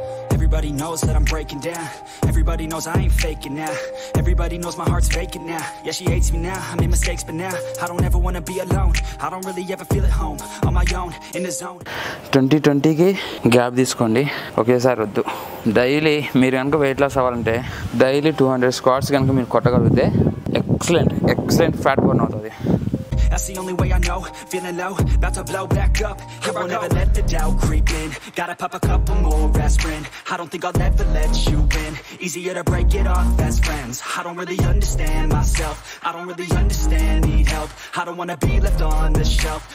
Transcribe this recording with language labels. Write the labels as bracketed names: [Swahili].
[English] Everybody knows that I'm breaking down. Everybody knows I ain't faking now. Everybody knows my heart's faking now. Yeah, she hates me now. I made mistakes, but now I don't ever want to be alone. I don't really ever feel at home on my own in the zone. [Telugu] 2020 కి gap తీసుకోండి. ఒకేసారి వద్దు. Daily మీరు కనుక weight loss అవ్వాలంటే daily 200 squats కనుక మీరు కొట్టగలిగితే excellent fat burn అవుతుంది. [English] That's the only way I know, feeling low, about to blow back up. Here I won't ever let the doubt creep in. Gotta pop a couple more aspirin. I don't think I'll ever let you in. Easier to break it off best friends. I don't really understand myself. I don't really understand, need help. I don't wanna be left on the shelf.